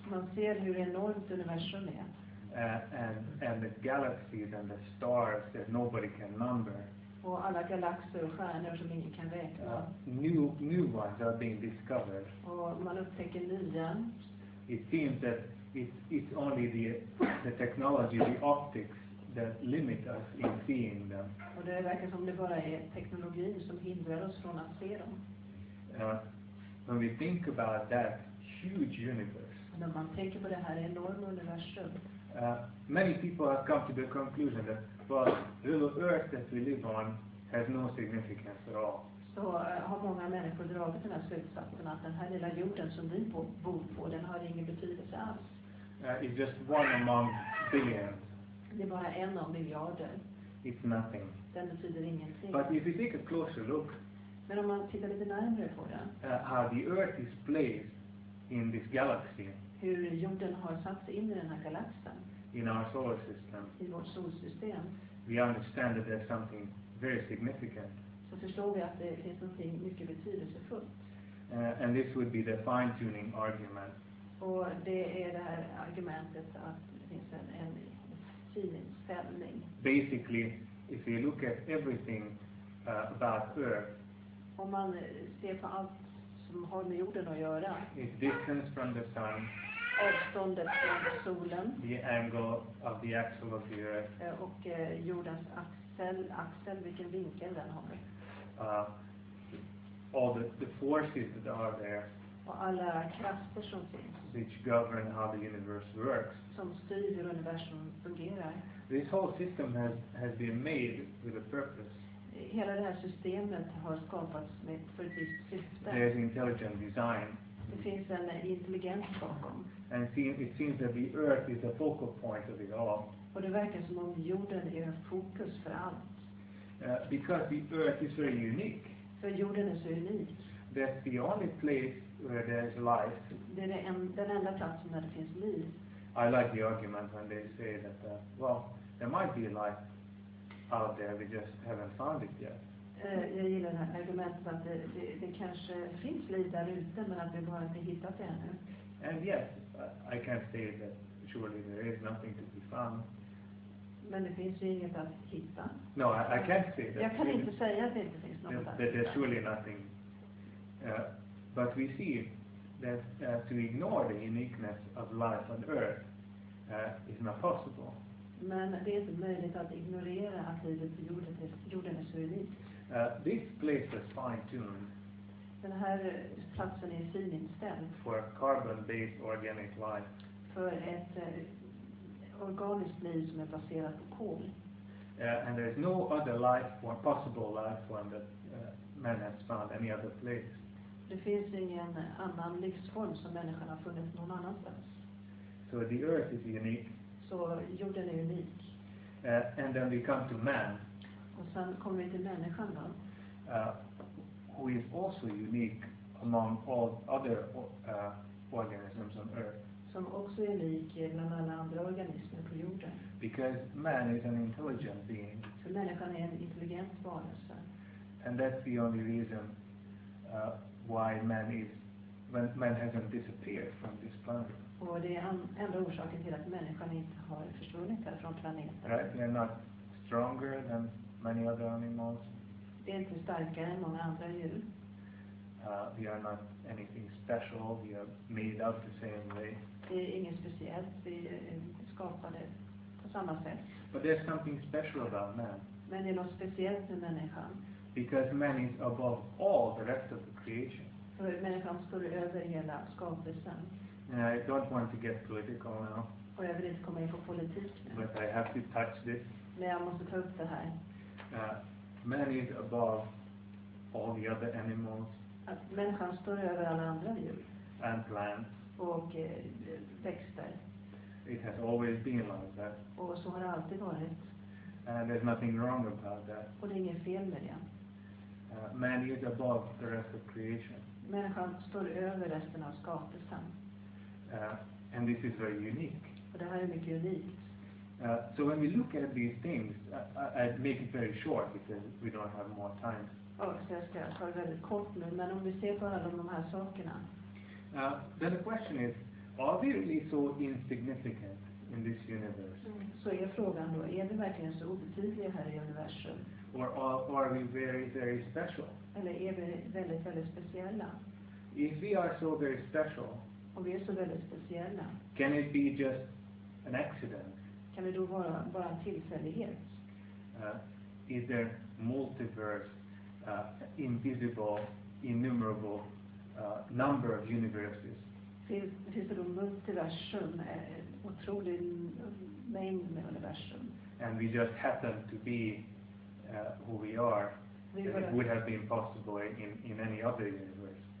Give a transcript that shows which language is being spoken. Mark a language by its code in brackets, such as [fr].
[sv] Man ser hur enormt universum är. [en] And the galaxies and the stars that nobody can number. [sv] Och alla galaxer och stjärnor som ingen kan räkna. [en] New ones are being discovered. [sv] Och man upptäcker nya. [en] It seems that it's only the technology, the optics that limit us in seeing them. [sv] Och det verkar som det bara är teknologin som hindrar oss från att se dem. [en] When we think about that huge universe. [sv] När man tänker på det här enorma universum. [en] Many people have come to the conclusion that well, little earth that we live on has no significance at all. [sv] Så har många människor dragit den här slutsatsen att den här lilla jorden som vi bor på, den har ingen betydelse alls. [en] It's just one among billions. [sv] Det är bara en av miljarder. [en] It's nothing. [sv] Den betyder ingenting. [en] But if you take a closer look. [sv] Men om man tittar lite närmare på den. [en] How the earth is placed in this galaxy. [sv] Hur jorden har satts in i den här galaxen. [en] In our solar system. [sv] I vårt solsystem. [en] We understand that there's something very significant. [sv] Så förstår vi att det finns någonting mycket betydelsefullt. [en] And this would be the fine-tuning argument. [sv] Och det är det här argumentet att det finns en finställning. [en] Basically, if you look at everything about Earth. [sv] Om man ser på allt som har med jorden att göra. [en] It distance from the sun. [sv] Avståndet från solen. [en] The angle of the axle of the earth. [sv] Och jordens axel, vilken vinkel den har. [en] All the forces that are there. [sv] Och alla krafter som finns. [en] Which govern how the universe works. [sv] Som styr hur universum fungerar. [en] This whole system has been made with a purpose. [sv] Hela det här systemet har skapats med för ett visst syfte. [en] There's intelligent design. [sv] Det finns en intelligens bakom. [en] And it seems that the earth is the focal point of it all. [sv] Och det verkar som om jorden är fokus för allt. [en] Because the earth is very unique. [sv] För jorden är så unik. [en] That's the only place where there's life. [sv] Det är den enda platsen där det finns liv. [en] I like the argument when they say that, well, there might be life out there, we just haven't found it yet. [sv] Jag gillar det här argumentet att det kanske finns liv där ute, men att vi bara inte hittat det ännu. [en] And yes, I can't say that surely there is nothing to be found. [sv] Men det finns ju inget att hitta. [en] No, I can't say that. [sv] Jag kan inte säga att det inte finns något att hitta. [en] There's surely nothing. But we see that to ignore the uniqueness of life on Earth is not possible. [sv] Men det är inte möjligt att ignorera att livet på jorden är så unikt. [en] This place is fine-tuned. [sv] Den här platsen är fininställd. [en] For carbon-based organic life. [sv] För ett organiskt liv som är baserat på kol. [en] And there is no other life or possible life form that man has found any other place. [sv] Det finns ingen annan livsform som människan har funnit någon annanstans. [en] So the earth is unique. [sv] Så jorden är unik. [en] And then we come to man. [sv] Och sen kommer vi till människan då. [en] Who is also unique among all other organisms on Earth. [sv] Som också är unik bland alla andra organismer på jorden. [en] Because man is an intelligent being. [sv] För människan är en intelligent varelse. [en] And that's the only reason why man is, when man hasn't disappeared from this planet. [sv] Och det är enda orsaken till att människan inte har försvunnit här från planeten. [en] Right, we are not stronger than many other animals. [sv] Vi är inte starkare än många andra djur. [en] We are not anything special. We are made up the same way. [sv] Det är inget speciellt. Vi är skapade på samma sätt. [en] But there's something special about man. [sv] Men det är något speciellt med människan. [en] Because man is above all the rest of the creation. [sv] För människan står över hela skapelsen. [en] And I don't want to get political now. [sv] Och jag vill inte komma in på politik nu. [en] But I have to touch this. [sv] Men jag måste ta upp det här. [en] Man is above all the other animals. [sv] Att människan står över alla andra djur. [en] And plants. [sv] Och växter. [en] It has always been like that. [sv] Och så har det alltid varit. [en] And there's nothing wrong about that. [sv] Och det är inget fel med det. [en] Man is above the rest of creation. [sv] Människan står över resten av skapelsen. [en] And this is very unique. [sv] Och det här är mycket unikt. [en] So when we look at these things, I make it very short because we don't have more time. [sv] Så jag ska ta det väldigt kort nu, men om vi ser på alla de här sakerna. [en] Then the question is, are we really so insignificant in this universe? [sv] Så är frågan då, är vi verkligen så obetydliga här i universum? [en] Or are we very, very special? [sv] Eller är vi väldigt, väldigt speciella? [en] If we are so very special, [sv] och vi är så väldigt speciella. [en] Can it be just an accident? [sv] Kan det då vara bara en tillfällighet? [en] Is there multiverse, invisible, innumerable number of universes? [sv] Finns det då multiversum, otrolig mängd med universum? [en] And we just happen to be who we are. It would have been possible in any other universe.